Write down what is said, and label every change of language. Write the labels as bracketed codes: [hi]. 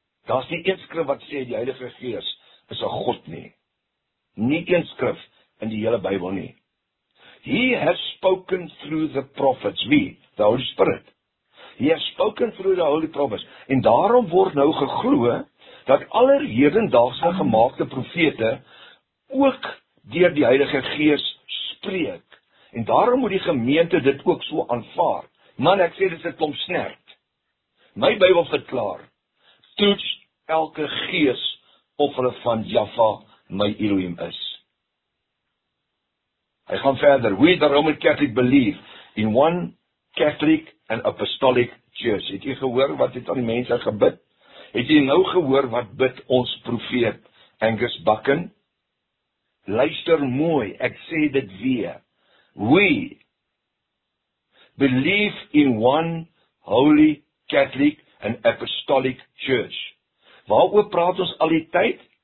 [af] Daar is nie een skrif wat sê, die Heilige Gees is 'n God nie. Nie een skrif in die hele Bybel nie. [en] He has spoken through the prophets, wie? The Holy Spirit. [af] He has spoken through the Holy Prophets. En daarom word nou geglo, dat aller hedendaagse gemaakte profete ook deur die Heilige Gees spreek, en daarom moet die gemeente dit ook so aanvaar. Man, ek sê, dit is 'n klomp snert. My Bybel verklaar, toets elke gees of hulle van Jaffa my Elohim is. [en] Hy gaan verder, we the Roman Catholic believe in one Catholic and Apostolic Cheers. [af] Het jy gehoor wat het aan die mense gebid? Het jy nou gehoor wat bid ons profeet Angus Bakken? Luister mooi, ek sê dit weer. [en] We believe in one holy Catholic and Apostolic Church. [af] Waaroor praat ons al die tyd?